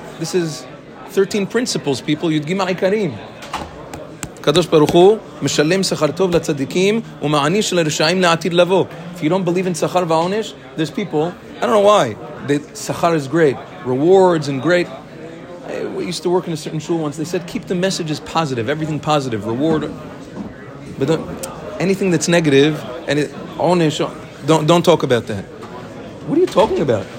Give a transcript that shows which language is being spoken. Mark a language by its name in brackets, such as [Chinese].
[English] This is 13 principles, people. [Hebrew] יודגים העיקרים. קדוש ברוך הוא משלם שכר טוב לצדיקים ומעניש לרשעים לעתיד לבוא. [English] If you don't believe in שכר ועונש, there's people, I don't know why, that שכר is great, rewards and great. We used to work in a certain shul once. They said, keep the messages positive, everything positive, reward. But don't... Anything that's negative, and it, don't talk about that. What are you talking about?